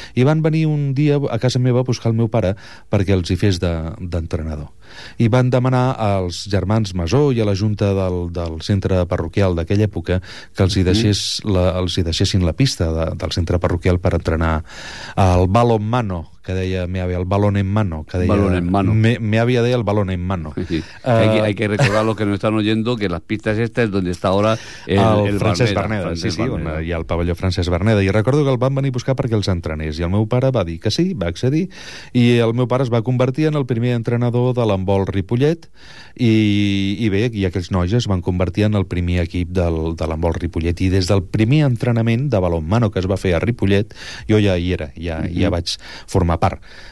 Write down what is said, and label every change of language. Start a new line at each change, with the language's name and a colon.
Catalan: I van venir un dia a casa meva a buscar el meu pare perquè els hi fes d'entrenador. I van demanar als germans Masó i a la junta del centre parroquial d'aquella època que els hi deixés els hi deixessin la pista del centre parroquial per entrenar el balón mano, que deia mi avi,
Spanish: el balón en mano,
Catalan: que deia
Spanish: balón en mano.
Catalan: Mi avi deia
Spanish: el balón en mano. Sí, sí. Hay que recordar lo que nos están oyendo, que las pistas estas es donde está ahora el
Catalan: Francesc Berneda. Sí, sí, hi ha el pavelló Francesc Berneda. I recordo que el van venir a buscar perquè els entrenés. I el meu pare va dir que sí, va accedir. I el meu pare es va convertir en el primer entrenador de l'handbol Ripollet. I bé, i aquells nois es van convertir en el primer equip de l'handbol Ripollet. I des del primer entrenament de balonmano que es va fer a Ripollet, jo ja hi era, ja vaig formar part.